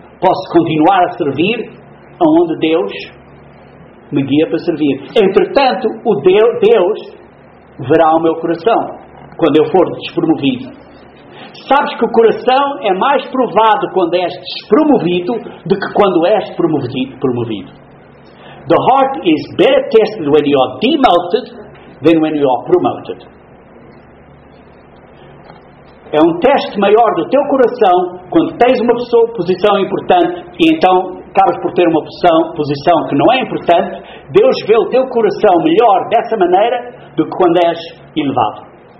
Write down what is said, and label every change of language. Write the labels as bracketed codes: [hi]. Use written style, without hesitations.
[pt] Posso continuar a servir aonde Deus me guia para servir. Entretanto, o Deus verá o meu coração quando eu for despromovido. Sabes que o coração é mais provado quando és despromovido do que quando és promovido. [en] The heart is better tested when you are demoted than when you are promoted. [pt] É um teste maior do teu coração quando tens uma pessoa, posição importante e então acabas por ter uma posição que não é importante. Deus vê o teu coração melhor dessa maneira do que quando és elevado.